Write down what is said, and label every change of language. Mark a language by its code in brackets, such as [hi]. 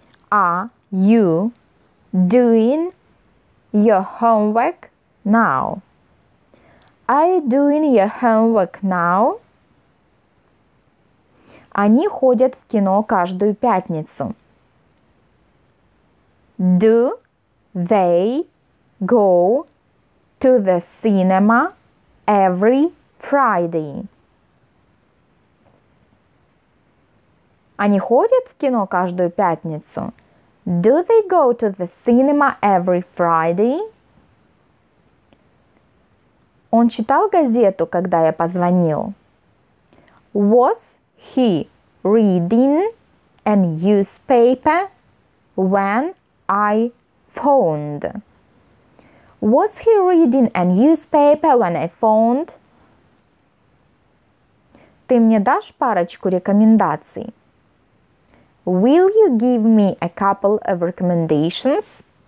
[en] Are you doing your homework now? Are you doing your homework now? [ru] Они ходят в кино каждую пятницу. [en] Do they go to the cinema every Friday? [ru] Они ходят в кино каждую пятницу. [en] Do they go to the cinema every Friday? [ru] Он читал газету, когда я позвонил. [en] Was he reading a newspaper when I phoned? Was he reading a newspaper when I phoned? [ru] Ты мне дашь парочку рекомендаций? [en] Will you give me a couple of recommendations?